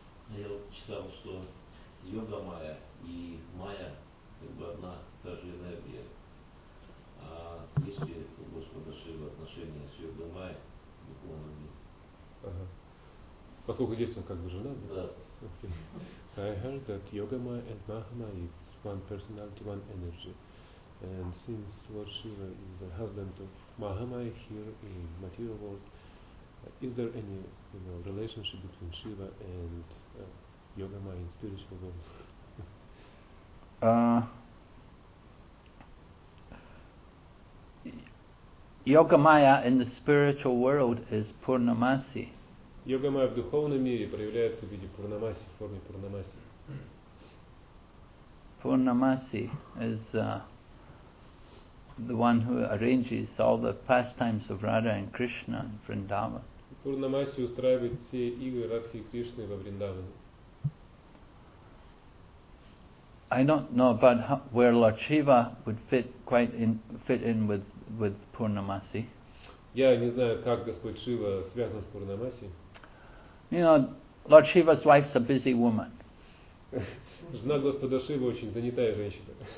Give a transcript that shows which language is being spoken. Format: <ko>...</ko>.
<ru>Я читал, что йога майя и майя как бы одна та же энергия. А если у Господа Шивы отношения с йога майя, буквально нет. Ага. Поскольку здесь он как бы женат, да?</ru> <en>So I heard that Yoga Maya and Mahamaya is one personality, one energy. And since Lord Shiva is a husband of Mahamaya here in material world, is there any, you know, relationship between Shiva and Yoga Maya in spiritual world? Yoga Maya in the spiritual world is Purnamasi.</en> <ru>Йога майя в духовном мире проявляется в виде пурнамаси, в форме пурнамаси.</ru> <en>Пурнамаси is the one who arranges all the pastimes of Radha and Krishna in Vrindavan.</en> <ru>Пурнамаси устраивает все игры Радхи и Кришны во Вриндаване.</ru> <en>I don't know about where Lord Shiva would fit in with Purnamasi.</en> <ru>Я не знаю, как Господь Шива связан с пурнамаси.</ru> <en>You know, Lord Shiva's wife's a busy woman.</en> <ru>Жена Господа Шивы очень занятая женщина.</ru>